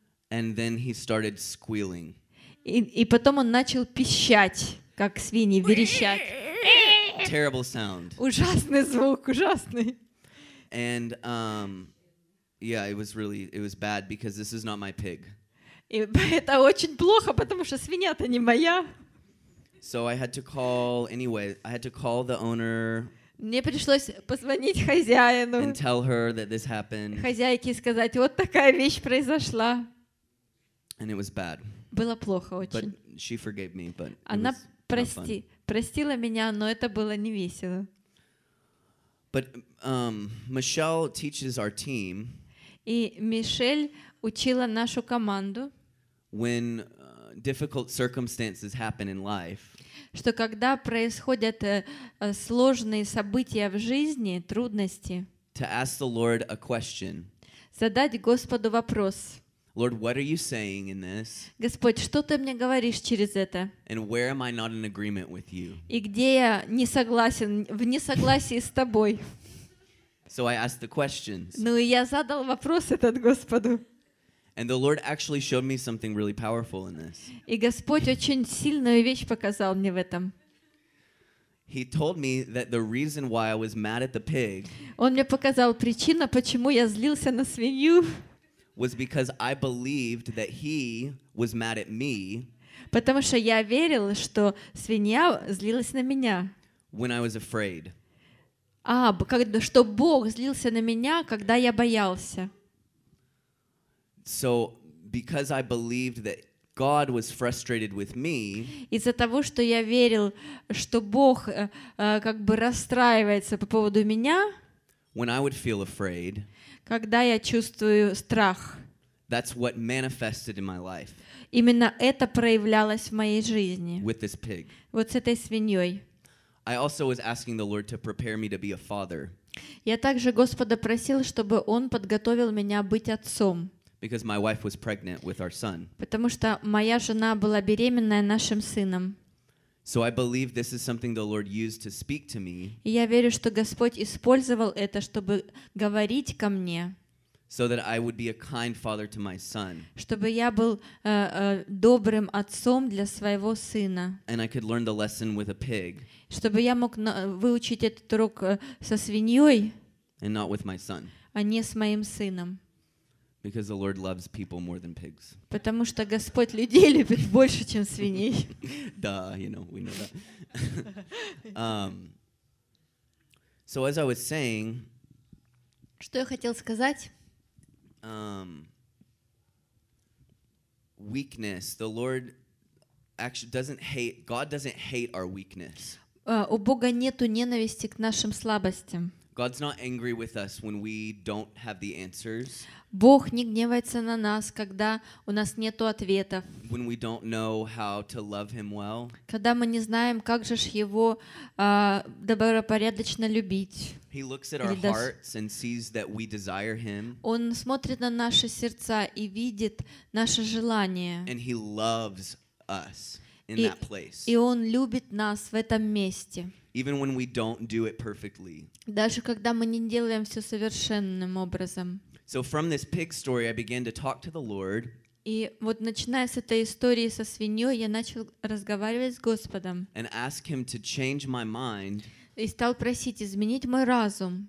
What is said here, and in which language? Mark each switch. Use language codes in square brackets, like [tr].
[en] And then he started squealing. [ru] И потом он начал пищать, как свиньи, верещать. [en] Terrible sound. [ru] Ужасный звук, ужасный. [en] And yeah, it was bad because this is not my pig. [ru] И это очень плохо, потому что свинья-то не моя. [en] So I had to call anyway. I had to call the owner. [ru] Мне пришлось позвонить хозяину. [en] And tell her that this happened. [ru] Хозяйке сказать, вот такая вещь произошла. [en] And it was bad. [ru] Было плохо очень. [en] But she forgave me, but [ru] она прости. Простила меня, но это было не весело. [en] But, Michelle teaches our team. [ru] И Мишель учила нашу команду. [en] When difficult circumstances happen in life. [ru] Что когда происходят сложные события в жизни, трудности. [en] To ask the Lord a question. [ru] Задать Господу вопрос. [en] Lord, what are you saying in this? [ru] Господь, что ты мне говоришь через это? [en] And where am I not in agreement with you? [ru] И где я не согласен, в несогласии с тобой? [en] So I asked the questions. [ru] Ну и я задал вопрос этот Господу. [en] And the Lord actually showed me something really powerful in this. [ru] И Господь очень сильную вещь показал мне в этом. [en] He told me that the reason why I was mad at the pig. [ru] Он мне показал причину, почему я злился на свинью. [en] Was because I believed that he was mad at me. [ru] Потому что я верил, что свинья злилась на меня. [en] When I was afraid. [ru] Что Бог злился на меня, когда я боялся. [en] So because I believed that God was frustrated with me. [ru] Из-за того, что я верил, что Бог расстраивается по поводу меня. [en] When I would feel afraid. [ru] Когда я чувствую страх. [en] That's what manifested in my life. [ru] Именно это проявлялось в моей жизни. [en] With this pig. [ru] Вот с этой свиньей. [en] I also was asking the Lord to prepare me to be a father. [ru] Я также Господа просил, чтобы Он подготовил меня быть отцом. [en] Because my wife was pregnant with our son. [ru] Потому что моя жена была беременная нашим сыном. [en] So I believe this is something the Lord used to speak to me. [ru] И я верю, что Господь использовал это, чтобы говорить ко мне. [en] So that I would be a kind father to my son. [ru] Чтобы я был добрым отцом для своего сына. [en] And I could learn the lesson with a pig. [ru] Чтобы я мог выучить этот урок со свиньей. [en] And not with my son. [ru] А не с моим сыном. [en] Because the Lord loves people more than pigs. [ru] Потому что Господь людей любит больше, чем свиней. [en] Duh, you know, we know that. So as I was saying. [ru] Что я хотел сказать? [en] Weakness. The Lord actually doesn't hate. God doesn't hate our weakness. [ru] У Бога нету ненависти к нашим слабостям. [en] God's not angry with us when we don't have the answers. [ru] Бог не гневается на нас, когда у нас нету ответов. [en] When we don't know how to love Him well. [ru] Когда мы не знаем, как же ж Его добропорядочно любить. [en] He looks at our hearts and sees that we desire Him. [ru] Он смотрит на наши сердца и видит наше желание. [en] And He loves us in that place. [ru] И Он любит нас в этом месте. [en] Even when we don't do it perfectly. [ru] Даже когда мы не делаем все совершенным образом. [en] So from this pig story, I began to talk to the Lord. [ru] И вот начиная с этой истории со свиньей, я начал разговаривать с Господом. [en] And ask Him to change my mind. [ru] И стал просить изменить мой разум.